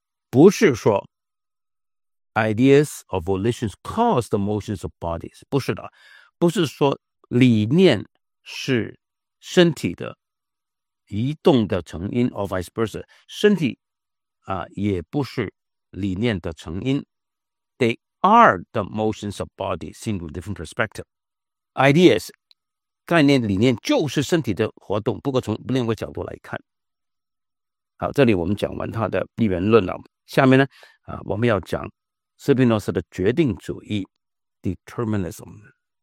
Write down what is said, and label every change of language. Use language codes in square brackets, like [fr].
[zh] 不是说 [en] ideas or volitions cause the motions of bodies， [zh] 不是的，不是说理念是身体的移动的成因 [en] or vice versa， [zh] 身体啊也不是理念的成因。 [en] They are the motions of body seen with different perspective。 [zh] Ideas 概念理念就是身体的活动，不过从另一个角度来看。好，这里我们讲完他的一元论了，下面呢我们要讲斯宾诺莎的决定主义 determinism。